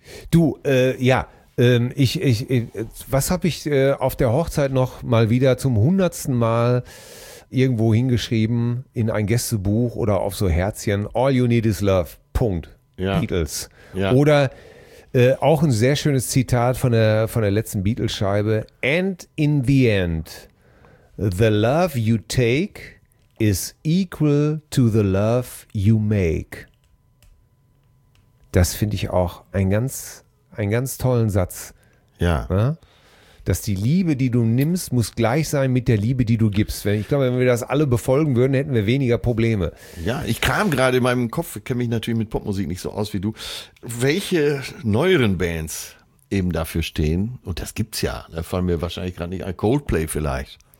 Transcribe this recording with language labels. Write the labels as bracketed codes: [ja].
[de] Du, was habe ich auf der Hochzeit noch mal wieder zum 100. Mal irgendwo hingeschrieben in ein Gästebuch oder auf so Herzchen? [en] All you need is love. Punkt. [de] Ja. Beatles. Ja. Oder auch ein sehr schönes Zitat von der letzten Beatles-Scheibe. [en] And in the end, the love you take is equal to the love you make. [de] Das finde ich auch einen ganz tollen Satz. Ja. Ja. Dass die Liebe, die du nimmst, muss gleich sein mit der Liebe, die du gibst. Ich glaube, wenn wir das alle befolgen würden, hätten wir weniger Probleme. Ja, ich kam gerade in meinem Kopf, ich kenne mich natürlich mit Popmusik nicht so aus wie du, welche neueren Bands eben dafür stehen, und das gibt's ja, da fallen mir wahrscheinlich gerade nicht ein, Coldplay vielleicht.